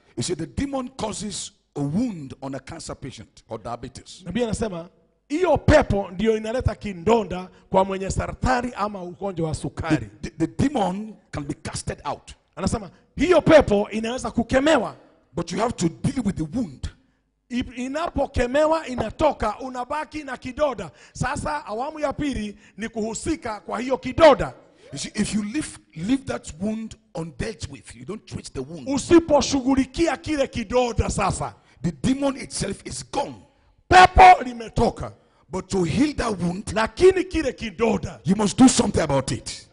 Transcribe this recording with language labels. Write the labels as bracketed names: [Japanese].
[English] he said the demon causes a wound on a cancer patient or diabetes. [Swahili] Nabii anasema hiyo pepo ndio inaleta kindonda kwa mwenye saratani ama ugonjwa wa sukari. [English] The demon can be casted out. [Swahili] Anasema hiyo pepo inaweza kukemewa, [English] but you have to deal with the wound. [Swahili] Inapokemewa inatoka unabaki na kidoda. Sasa awamu ya pili ni kuhusika kwa hiyo kidoda. [English] You see, if you leave that wound undealt with, you don't treat the wound. [Swahili] Usiposhughulikia kile kidoda sasa, [English] the demon itself is gone. [Swahili] Pepo limetoka. [English] But to heal that wound, [Swahili] lakini kile kidoda, [English] you must do something about it.